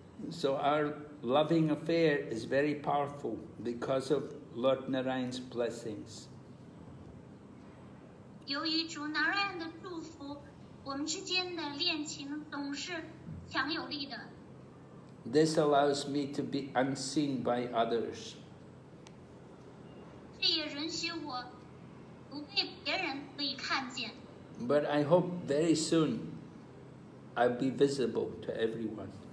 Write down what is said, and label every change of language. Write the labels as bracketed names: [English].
[English] So our loving affair is very powerful because of Lord Narayan's blessings. [Chinese] 由于主南瑞安的祝福，我们之间的恋情总是强有力的。 [English] This allows me to be unseen by others. [Chinese] 这也允许我不被别人可以看见。 [English] But I hope very soon I'll be visible to everyone.